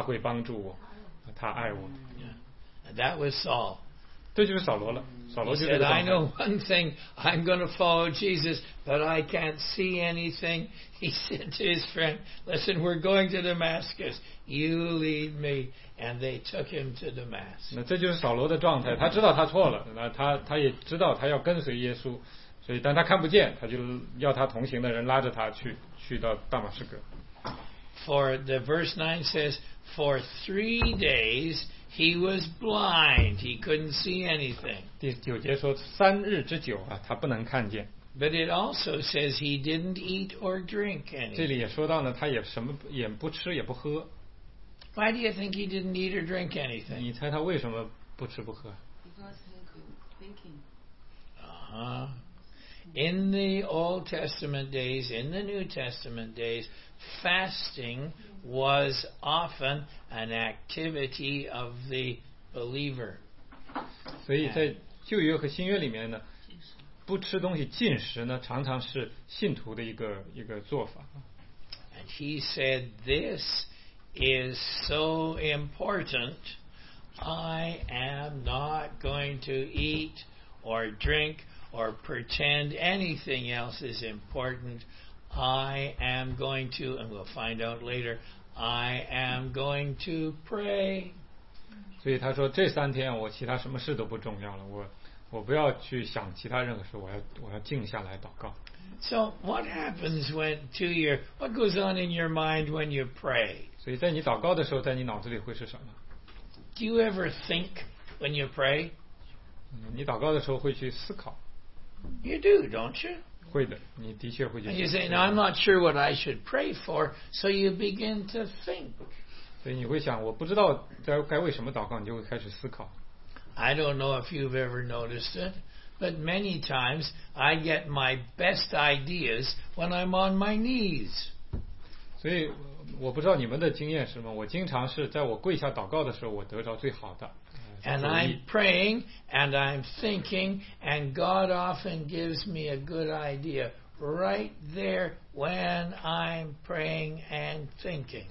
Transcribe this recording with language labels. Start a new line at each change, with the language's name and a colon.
Chinese: 就像一个小孩子刚出生，什么也不懂一样。你在主里重生之后，刚开始啊，你的感受就是我以前认知全错了，其实我啥都不懂。我唯一明白的就是耶稣替我死了，他会帮助我，他爱我。That
English: was Saul.
Chinese: 这就是扫罗了。扫罗就是这个。He
English: said, "I know one thing. I'm going to follow Jesus, but I can't see anything." He said to his friend, "Listen, we're going to Damascus. You lead me." And they took him to Damascus.
Chinese: 那这就是扫罗的状态。他知道他错了。那他也知道他要跟随耶稣，所以但他看不见，他就要他同行的人拉着他去到大马士革。For
English: the verse 9 says, "For 3 days." He was blind. He couldn't see anything.
Chinese: 第九节说，三日之久啊，他不能看见。
English: But it also says he didn't eat or drink anything.
Chinese: 这里也说到呢，他也什么也不吃也不喝。
English: Why do you think he didn't eat or drink anything?
Chinese: 你猜他为什么不吃不喝？
English: Because he could thinking. In the Old Testament days, in the New Testament days, fasting was often an activity of the believer.
Chinese: 所以在旧约和新约里面呢，不吃东西进食呢，常常是信徒的一个做法。
English: And he said, "This is so important. I am not going to eat or drink or pretend anything else is important. I am going to, and we'll find out later, I am going to pray.
Chinese: 所以他说这三天我其他什么事都不重要了，我不要去想其他任何事，我要静下来祷告。
English: So what happens when to your what goes on in your mind when you pray?
Chinese: 所以在你祷告的时候，在你脑子里会是什么？
English: Do you ever think when you pray?
Chinese: 你祷告的时候会去思考。
English: You do, don't you?
Chinese: 会的，你的确会去思考。
English: And you say, "Now I'm not sure what I should pray for," so you begin to think.
Chinese: 所以你会想，我不知道该为什么祷告，你就会开始思考。
English: I don't know if you've ever noticed it. But many times I get my best ideas when I'm on my knees.
Chinese: 所以我不知道你们的经验是什么，我经常是在我跪下祷告的时候我得着最好的。
English: And I'm praying and I'm thinking and God often gives me a good idea right there when I'm praying and thinking.